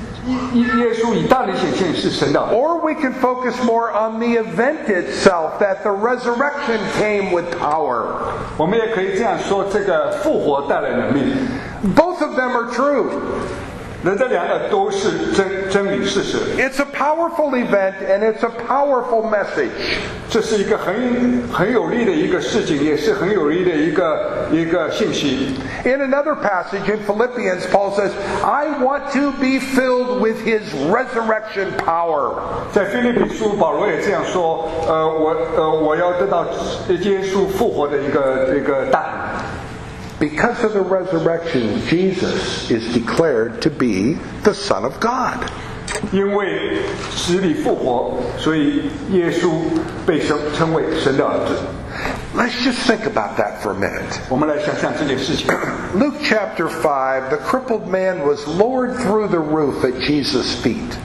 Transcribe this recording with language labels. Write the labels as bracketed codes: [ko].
[en] Or we can focus more on the event itself, that the resurrection came with power. [zh] 我们也可以这样说，这个复活带来能力。 [en] Both of them are true. [zh] 那这两个都是真理事实。 [en] It's a powerful event and it's a powerful message. [zh] 这是一个很有力的一个事情，也是很有力的一个信息。 [en] In another passage in Philippians, Paul says, I want to be filled with his resurrection power. [zh] 在腓立比书保罗也这样说，我要得到耶稣复活的一个大能。 [en] Because of the resurrection, Jesus is declared to be the Son of God. [zh] 因为死里复活，所以耶稣被称为神的儿子。 [en] Let's just think about that for a minute. [zh] 我们来想想这件事情。 [en] Luke chapter 5, the crippled man was lowered through the roof at Jesus' feet.